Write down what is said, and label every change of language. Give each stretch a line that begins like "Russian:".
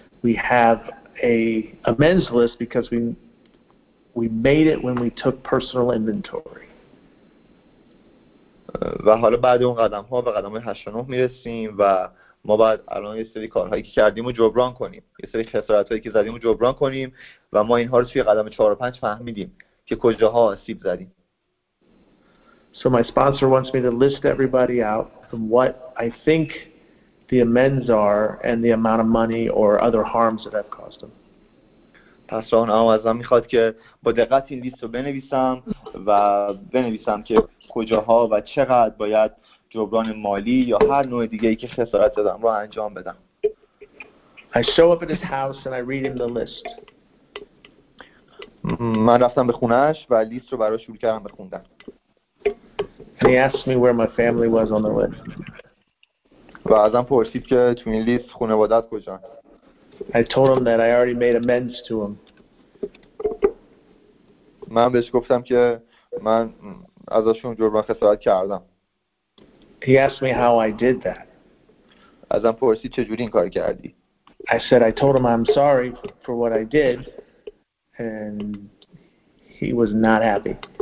English: We have a men's list because we made it when we took personal inventory.
Persian: و حالا بعد اون قدم ها به قدم 8 و 9 میرسیم و ما باید الان یه سری کارهایی که کردیم رو جبران کنیم، یه سری خسارتهایی که زدیم رو جبران کنیم و ما اینها رو توی قدم 4 و 5 فهمیدیم که کجاها آسیب زدیم.
English: So my sponsor wants me to list everybody out from what I think the amends are and the amount of money or other harms that I've caused them.
Persian: پس راهنما هم از من میخواد که با دقت این لیست رو بنویسم و بنویسم که کجاها و چقدر باید جبران مالی یا هر نوع دیگه ای که خسارت دادم رو انجام بدم.
English: I show up at his house and I read him the list.
Persian: من رفتم به خونهش و لیست رو براش شروع کردم بخوندن.
English: And he asked me where my family was on the list.
Persian: و ازم پرسید که تو این لیست خانوادت کجا.
English: I told him that I already made amends to him.
Persian: من بهش گفتم که من ازشون جبران خسارت کردم.
English: He asked me how I did that.
Persian: ازم پرسید چجوری این کار کردی.
English: I said, I told him I'm sorry for what I did, and he was not happy.